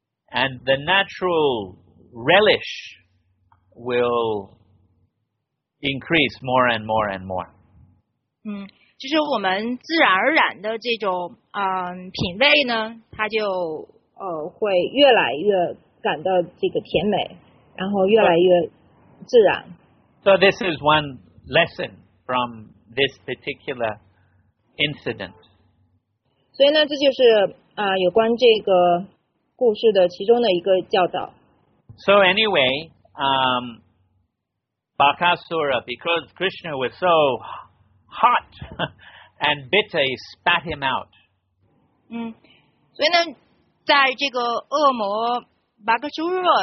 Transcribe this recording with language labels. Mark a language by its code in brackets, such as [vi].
[en] And the natural relish will increase more and more and more. [zh] 就是我们自然而然的这种品味呢，它就会越来越感到这个甜美。然后越来越自然。 [en] So this is one lesson from this particular incident. [zh] 所以呢，这就是有关这个故事的其中的一个教导。 [en] So anyway, Bakasura, because Krishna was so hot and bitter, he spat him out. [zh] 所以呢，在这个恶魔巴克苏若。